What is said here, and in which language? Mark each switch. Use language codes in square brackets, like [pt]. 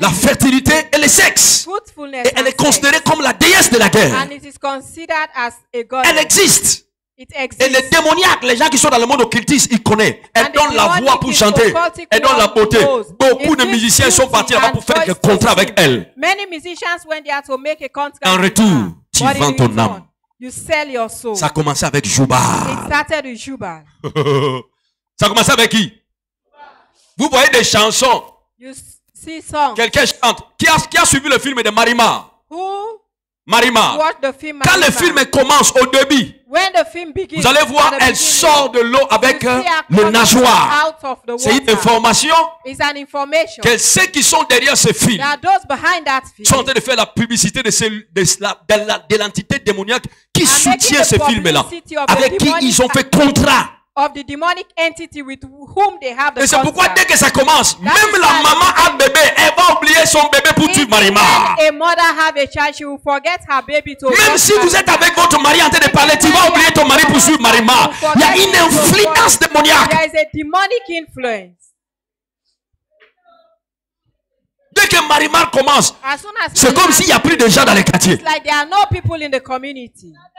[fr] La fertilité et le sexe. [en] Fruitfulness [fr] et elle est considérée [en] sex. [fr] Comme la déesse de la guerre. [en] And it is considered as a goddess. [fr] Elle existe. [en] It exists. [fr] Et les démoniaques, les gens qui sont dans le monde occultiste, ils connaissent. Elle [en] and [fr] donne la voix pour chanter. Elle donne la beauté. Beaucoup de musiciens sont partis là-bas pour faire un contrat avec elle. [en] Many musicians went there to make a contract. [fr] En retour, tu vends ton âme. [en] You sell your soul. [fr] Ça a commencé avec Jubal. [en] It started with Jubal. [fr] Ça a commencé avec qui? Vous voyez des chansons. [en] You see songs. [fr] Quelqu'un chante. Qui a suivi le film de Marima? [en] Who? [fr] Marima. [en] Watched the film Marima. [fr] Quand le film commence au début, [en] when the film begins, [fr] vous allez voir, elle sort de l'eau avec le nageoire. [en] Out of the water. [fr] C'est une information. [en] It's an information. [fr] Que ceux qui sont derrière ce film, [en] that those behind that film [fr] sont en train de faire la publicité de l'entité démoniaque qui soutient ce film-là, avec qui ils ont fait contrat. [en] Of the demonic entity with whom they have the [fr] et c'est concert. Pourquoi dès que ça commence, that même la maman a bébé, elle va oublier son bébé pour tuer Marima. [en] A mother have a child, she will forget her baby to [fr] même si vous êtes avec votre mari en train de parler, tu vas oublier ton mari pour tuer Marima. Il y a une influence démoniaque. [en] There is a demonic influence. [fr] Dès que Marima commence, c'est comme s'il n'y a plus de gens dans les quartiers. [en] It's like there are no people in the community.